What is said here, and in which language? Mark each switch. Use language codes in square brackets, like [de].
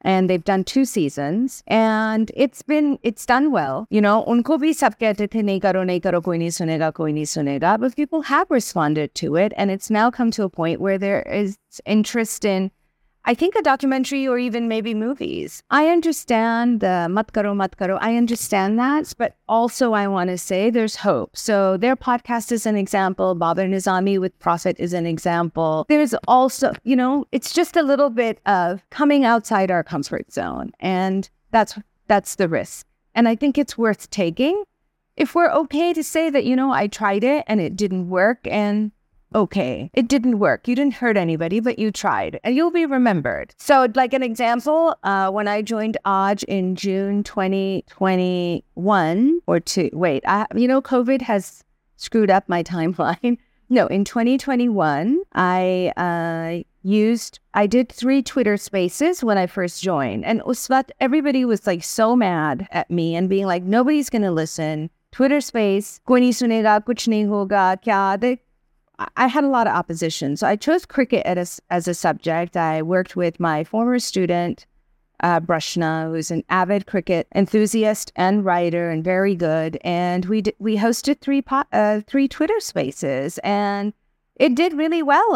[en] And they've done two seasons and it's done well. You know, [ur] ان کو بھی سب کہتے تھے نہیں کرو، کوئی نہیں سنے گا، [en] but people have responded to it. And it's now come to a point where there is interest in, I think, a documentary or even maybe movies. I understand the [ur] مت کرو۔ [en] I understand that. But also I want to say there's hope. So their podcast is an example. Baba Nizami with Prophet is an example. There's also, you know, it's just a little bit of coming outside our comfort zone. And that's the risk. And I think it's worth taking. If we're okay to say that, you know, I tried it and it didn't work and okay, it didn't work. You didn't hurt anybody, but you tried and you'll be remembered. So like an example, when I joined Aj in June 2021 or two, wait, I, you know, COVID has screwed up my timeline. No, in 2021, I did three Twitter spaces when I first joined. And Usvat, everybody was like so mad at me and being like, nobody's going to listen. [ur] Twitter space، کوئی نہیں سنے گا، کچھ نہیں ہوگا، کیا دے۔ [en] I had a lot of opposition. So I chose cricket as a subject. I worked with my former student, Brushna, who's an avid cricket enthusiast and writer and very good. And we hosted three Twitter spaces and it did really well.